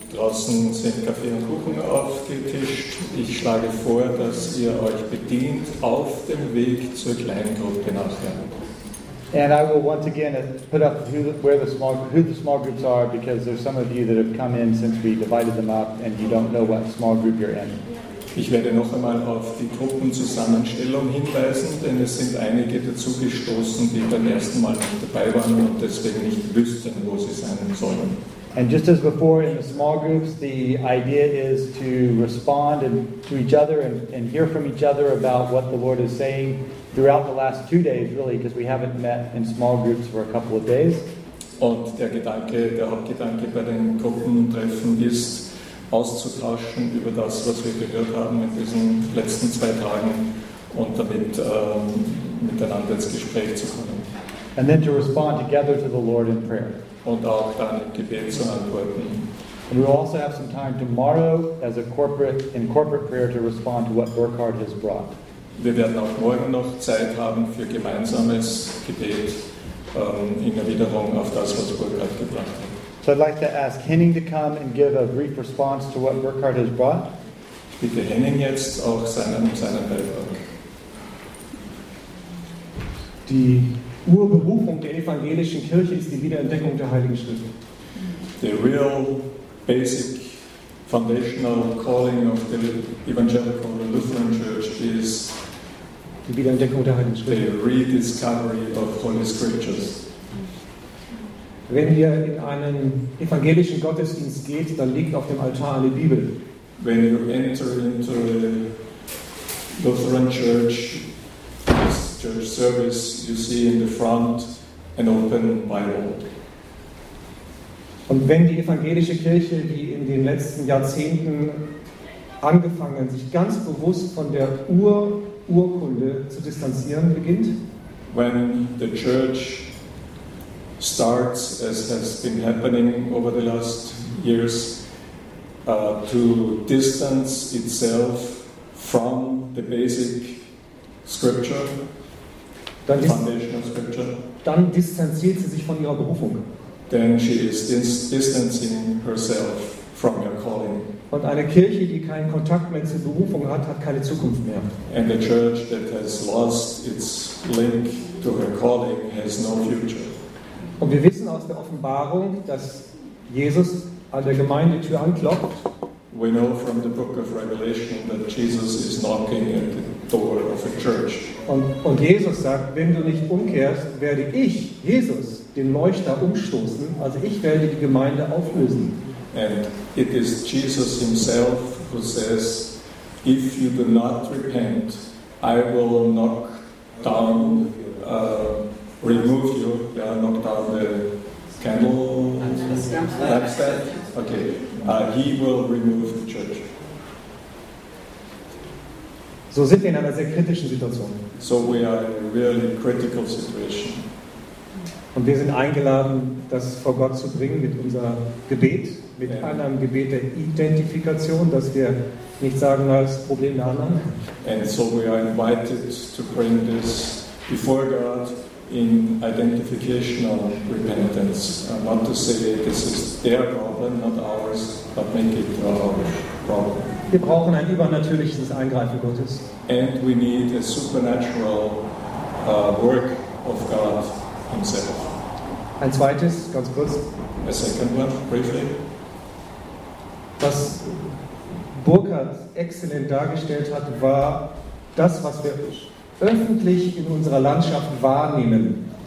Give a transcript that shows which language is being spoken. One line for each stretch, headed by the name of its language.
German: Draußen sind Kaffee und Kuchen aufgetischt. Ich schlage vor, dass ihr euch bedient auf dem Weg zur kleinen Gruppe nachher.
English: And I will once again put up who the small groups are, because there's some of you that have come in since we divided them up and you don't know what small group you're in.
German: Ich werde noch einmal auf die Gruppenzusammenstellung hinweisen, denn es sind einige dazugestoßen, die beim ersten Mal nicht dabei waren und deswegen nicht wüssten, wo sie sein sollen.
English: And just as before in the small groups, the idea is to respond to each other and hear from each other about what the Lord is saying throughout the last 2 days, really, because we haven't met in small groups for a couple of days.
German: Und der Hauptgedanke bei den Gruppentreffen ist, auszutauschen über das, was wir gehört haben in diesen letzten 2 Tagen und damit miteinander ins Gespräch zu kommen.
English: And then to respond together to the Lord in prayer.
German: Und auch dann im Gebet zu antworten.
English: And we'll also have some time tomorrow as a corporate prayer to respond to what Burkhard has brought.
German: Wir werden auch morgen noch Zeit haben für gemeinsames Gebet in Erwiderung auf das, was Burkhard gebracht hat.
English: So I'd like to ask Henning to come and give a brief response to what Burkhard has brought.
German: Ich bitte Henning jetzt auch seinen Beitrag. Die Urberufung der evangelischen Kirche ist die Wiederentdeckung der Heiligen Schrift.
English: The real basic foundational calling of the evangelical Lutheran Church is
German: die Wiederentdeckung der Heiligen Schrift.
English: The rediscovery of Holy Scriptures.
German: Wenn ihr in einen evangelischen Gottesdienst geht, dann liegt auf dem Altar eine Bibel.
English: When you enter into a Lutheran church, this church service, you see in the front an open Bible.
German: Und wenn die evangelische Kirche, die in den letzten Jahrzehnten angefangen hat, sich ganz bewusst von der Urkunde zu distanzieren beginnt,
English: when the church starts, as has been happening over the last years, to distance itself from the basic scripture,
German: dann
English: the foundational scripture,
German: dann distanziert sie sich von ihrer Berufung.
English: Then she is distancing herself from her calling.
German: Und eine Kirche, die keinen Kontakt mehr zur Berufung hat, hat keine Zukunft mehr.
English: And a church that has lost its link to her calling has no future.
German: Und wir wissen aus der Offenbarung, dass Jesus an der Gemeindetür anklopft.
English: We know from the book of Revelation that Jesus is knocking at the door of a church.
German: Und Jesus sagt, wenn du nicht umkehrst, werde ich, Jesus, den Leuchter umstoßen, also ich werde die Gemeinde auflösen.
English: And it is Jesus himself who says, if you do not repent, I will knock down remove you, yeah, knock down the candle, lampstand. Okay, he will remove the church.
German: So sind wir in einer sehr kritischen Situation.
English: So we are in a really critical situation.
German: Und wir sind eingeladen, das vor Gott zu bringen mit unserem Gebet, mit einem Gebet der Identifikation, dass wir nicht sagen, das Problem der anderen.
English: And so we are invited to bring this before God in identification of repentance. I want to say this is their problem, not ours, but make it our problem.
German: Wir brauchen ein übernatürliches Eingreifen Gottes.
English: And we need a supernatural work of God himself.
German: Ein zweites, ganz kurz.
English: A second one, briefly.
German: Was Burkhard exzellent dargestellt hat, war das, was wir öffentlich in unserer Landschaft wahrnehmen.